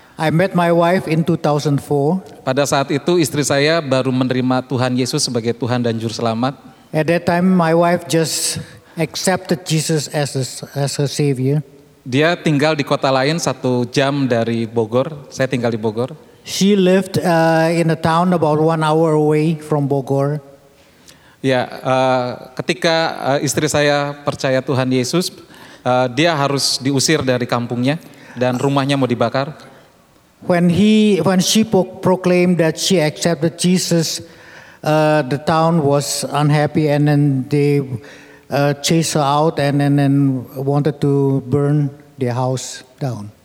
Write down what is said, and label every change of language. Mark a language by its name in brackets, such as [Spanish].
[English] I met my wife in 2004. [Indonesian] Pada saat itu istri saya baru menerima Tuhan Yesus sebagai Tuhan dan Juru Selamat. [English] At that time my wife just accepted Jesus as her Savior. [Indonesian] Dia tinggal di kota lain 1 jam dari Bogor. Saya tinggal di Bogor. [English] She lived in a town about 1 hour away from Bogor. [Indonesian] Ya, ketika istri saya percaya Tuhan Yesus, dia harus diusir dari kampungnya dan rumahnya mau dibakar. [English] When she proclaimed that she accepted Jesus, the town was unhappy and then they chased her out and then wanted to burn their house down.